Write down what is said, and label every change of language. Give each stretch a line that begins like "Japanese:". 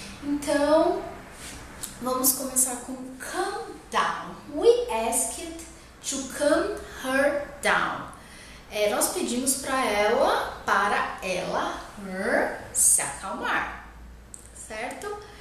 Portuguese: Então, vamos começar com come down.
English: We asked to come her down.
Portuguese: Nós pedimos para ela, her, se acalmar, certo?